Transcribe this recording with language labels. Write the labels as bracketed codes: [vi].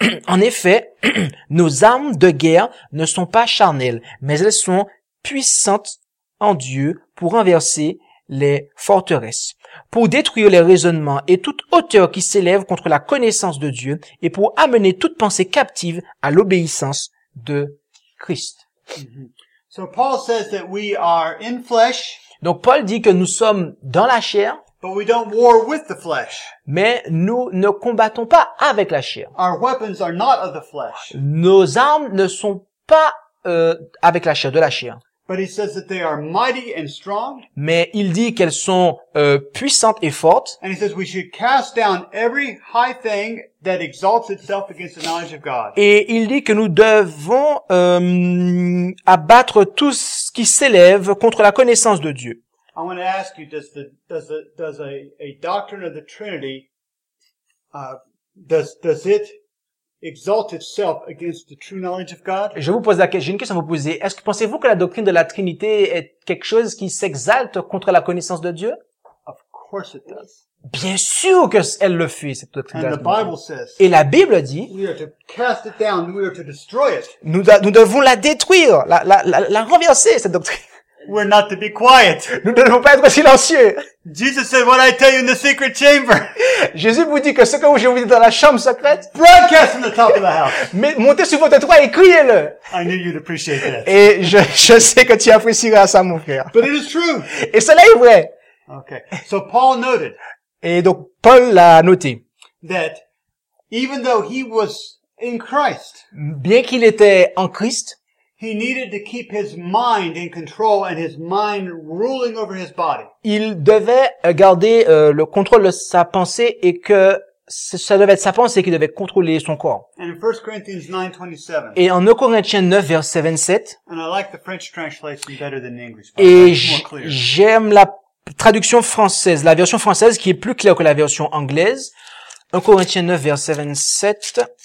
[fr] En effet, nos armes de guerre ne sont pas charnelles, mais elles sont puissantes en Dieu pour renverser les forteresses, pour détruire les raisonnements et toute hauteur qui s'élève contre la connaissance de Dieu et pour amener toute pensée captive à l'obéissance de Christ. Mm-hmm. [en] So Paul says that we are in flesh. [fr] Donc Paul dit que nous sommes dans la chair. [en] But we don't war with the flesh. [fr] Mais nous ne combattons pas avec la chair. [en] Our weapons are not of the flesh. [fr] Nos armes ne sont pas avec la chair, de la chair. [en] But he says that they are mighty and strong. [fr] Mais il dit qu'elles sont puissantes et fortes. [en] And he says we should cast down every high thing that exalts itself against the knowledge of God. [fr] Et il dit que nous devons abattre tout ce qui s'élève contre la connaissance de Dieu. [en] I want to ask you, does a doctrine of the Trinity does it exalt itself against the true knowledge of God? [fr] Je vous pose j'ai une question à vous poser. Est-ce que pensez-vous que la doctrine de la Trinité est quelque chose qui s'exalte contre la connaissance de Dieu? [en] Of course it does. [fr] Bien sûr que elle le fait, cette doctrine. [en] And the Bible says. [fr] Et la Bible dit. [en] We are to cast it down. We are to destroy it. [fr] Nous devons la détruire, la renverser, cette doctrine. [en] We're not to be quiet. [fr] Nous ne devons pas être silencieux. [en] Jesus said what I tell you in the secret chamber. [fr] Jésus vous dit que ce que je vous dis dans la chambre secrète. [en] Broadcast from the top of the house. [fr] Montez sur votre toit et criez-le. [en] I knew you'd appreciate that. [fr] Et je sais que tu apprécieras ça, mon frère. [en] But it is true. [fr] Et cela est vrai. [en] Okay. So Paul noted. [fr] Et donc Paul l'a noté. [en] That even though he was in Christ. [fr] Bien qu'il était en Christ. [en] He needed to keep his mind in control and his mind ruling over his body. [fr] Il devait garder le contrôle de sa pensée et que ça devait être sa pensée qui devait contrôler son corps. [en] And in 1 Corinthians 9:27. [fr] Et en 2 Corinthiens 9 verset 27. [en] And I like the French translation better than the English. [fr] Et j'aime la traduction française, la version française qui est plus claire que la version anglaise. 1 Corinthiens 9 verset 27.